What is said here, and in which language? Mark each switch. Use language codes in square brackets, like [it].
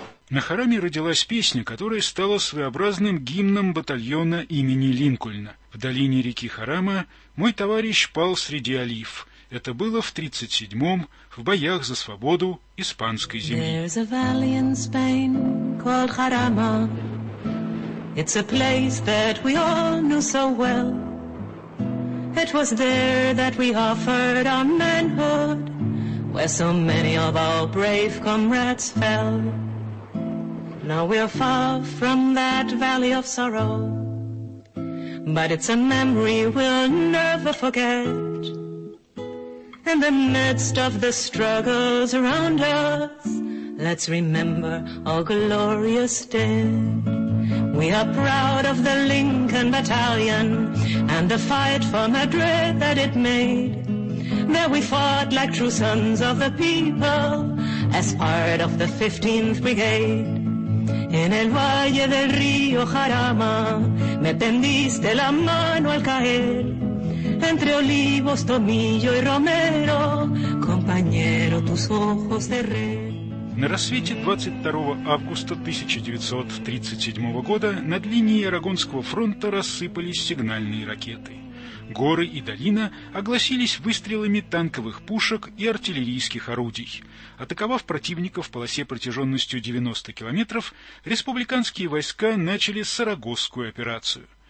[ru] На Хараме родилась песня, которая стала своеобразным гимном батальона имени Линкольна. В долине реки Харама мой товарищ пал среди олив. Это было в 1937-м, в боях за свободу испанской земли. [en] There's a valley in Spain called Jarama. It's a place that we all knew so well. It was there that we offered our manhood, where so many of our brave comrades fell. Now we're far from that valley of sorrow, but it's a memory we'll never forget. In the midst of the struggles around us, let's remember our glorious dead. We are proud of the Lincoln Battalion and the fight for Madrid that it made. There we fought like true sons of the people as part of the 15th Brigade. [es] En el valle del río Jarama, me tendiste la mano al caer. Entre olivos, tomillo y romero, compañero, tus ojos de rey. [ru] На рассвете 22 августа 1937 года над линией Арагонского фронта рассыпались сигнальные ракеты. Горы и долина огласились выстрелами танковых пушек и артиллерийских орудий. Атаковав противника в полосе протяженностью 90 километров, республиканские войска начали Сарагосскую операцию.